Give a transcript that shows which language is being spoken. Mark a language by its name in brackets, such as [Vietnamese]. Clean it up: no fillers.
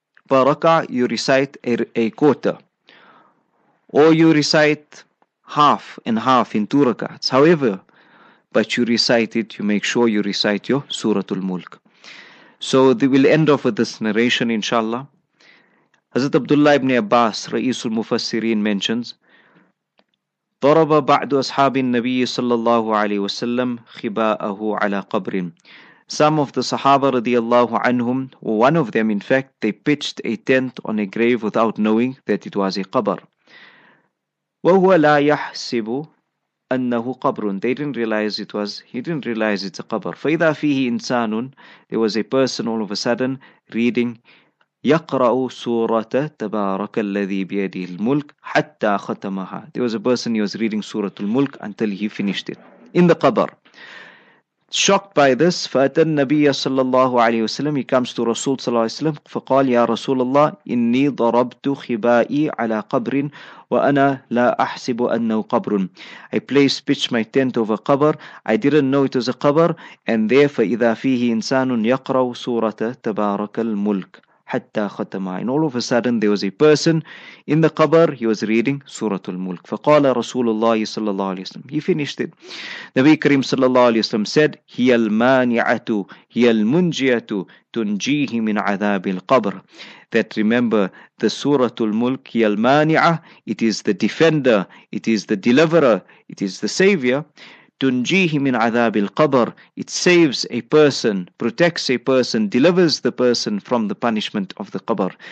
[English] Per rakat, you recite a quarter. Or you recite half and half in 2 rakats. However, but you recite it, you make sure you recite your Suratul Mulk. So we'll end off with this narration, inshallah. [Arabic] Hazrat Abdullah ibn Abbas, Ra'isul Mufassirin, mentions, ضرب بعض أصحاب النبي صلى الله عليه وسلم خباءه على قبر. [English] Some of the Sahaba radiallahu anhum, one of them in fact, they pitched a tent on a grave without knowing that it was a qabr. [Arabic] وهو لا يحسب أنه قبر. [English] They didn't realize it was, he didn't realize it's a qabr. [Arabic] فإذا فيه إنسان, [English] there was a person all of a sudden reading [Arabic] يقرأ سورة تبارك الذي بيده الملك حتى ختمها. [English] There was a person, he was reading سورة الملك until he finished it in the qabr. Shocked by this, [Arabic] فأتى النبي صلى الله عليه وسلم, [English] he comes to [Arabic] رسول صلى الله عليه وسلم, فقال يا رسول الله إني ضربت خبائي على قبر وأنا لا أحسب أنه قبر. [English] I placed, pitched my tent over قبر, I didn't know it was a قبر, and there [Arabic] فإذا فيه إنسان يقرأ سورة تبارك الملك حتى ختم. [English] And all of a sudden there was a person in the qabr, he was reading Suratul Mulk. [Arabic] فقال رسول الله صلى الله عليه وسلم, [English] he finished it. [Arabic] نبي كريم صلى الله عليه وسلم said, هي المانعة هي المنجية تنجيه من عذاب القبر. [English] That remember, the Suratul Mulk, [Arabic] هي المانعة, [English] it is the defender, it is the deliverer, it is the savior. [Arabic] تنجيه من عذاب القبر, [English] it saves a person, protects a person, delivers the person from the punishment of the qabr.